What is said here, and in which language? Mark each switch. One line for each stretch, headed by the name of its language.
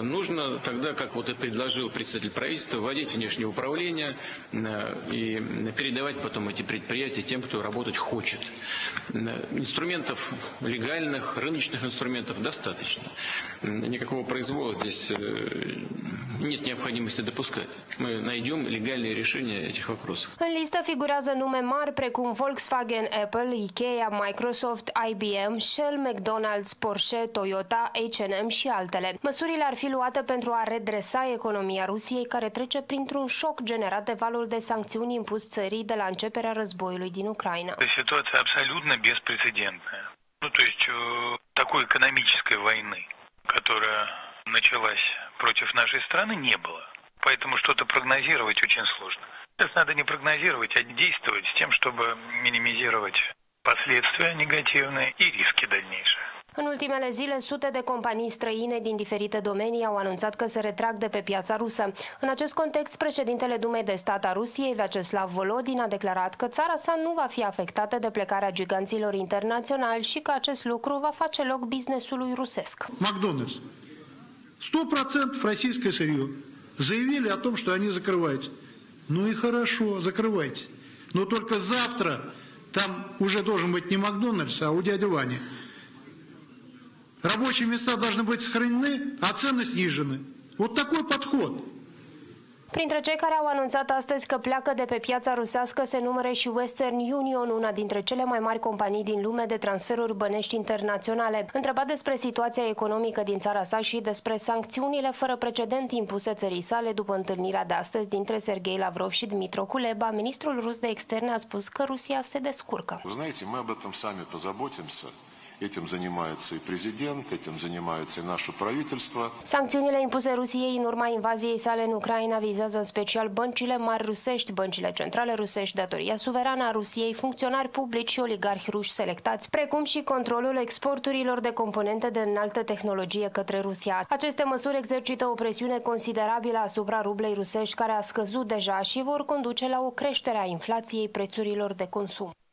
Russian: Нужно тогда, как вот и предложил представитель правительства, вводить внешнее управление и передавать потом эти предприятия тем, кто работать хочет. Инструментов легальных, рыночных инструментов достаточно. Никакого произвола здесь нет необходимости допускать. Мы найдем легальные решения этих вопросов.
Romanian: În listă figurează nume mari precum Volkswagen, Apple, IKEA, Microsoft, IBM, Shell, McDonald's, Porsche, Toyota, H&M și altele. Măsurile ar fi luate pentru a redresa economia Rusiei, care trece printr-un șoc generat de valul de sancțiuni impus țării de la începerea războiului din Ucraina.
Russian: Situația absolut beprecedentă. Nu, то есть, такой экономической войны, которая началась против нашей страны не было. Поэтому что-то прогнозировать очень сложно. Сейчас надо не прогнозировать, а действовать с тем, чтобы минимизировать последствия негативные и риски дальнейшие.
Romanian: În ultimele zile, sute de companii străine din diferite domenii au anunțat că se retrag de pe piața rusă. În acest context, președintele Dumei de Stat a Rusiei, Vyacheslav Volodin, a declarat că țara sa nu va fi afectată de plecarea giganților internaționali și că acest lucru va face loc businessului rusesc.
Russian: McDonald's 100% российское сырье. Заявили о том, что они закрываются. Ну и хорошо, закрывайте. Но только завтра там уже должен быть не Макдональдс, а у дяди Вани. Рабочие места должны быть сохранены, а цены снижены. Вот такой подход.
Romanian: Printre cei care au anunțat astăzi că pleacă de pe piața rusească se numără și Western Union, una dintre cele mai mari companii din lume de transferuri bănești internaționale. Întrebat despre situația economică din țara sa și despre sancțiunile fără precedent impuse țării sale după întâlnirea de astăzi dintre Sergei Lavrov și Dmitro Kuleba, ministrul rus de externe a spus că Rusia se descurcă.
Russian: Знаете, мы об этом сами позаботимся. Этим занимается и президент, этим занимается и наше правительство.
Romanian: Sancțiunile impuse Rusiei în urma invaziei sale în Ucraina vizează în special băncile mari rusești, băncile centrale rusești, datoria suverană a Rusiei, funcționari publici și oligarhi ruși selectați, precum și controlul exporturilor de componente de înaltă tehnologie către Rusia. Aceste măsuri exercită o presiune considerabilă asupra rublei rusești, care a scăzut deja și vor conduce la o creștere a inflației prețurilor de consum.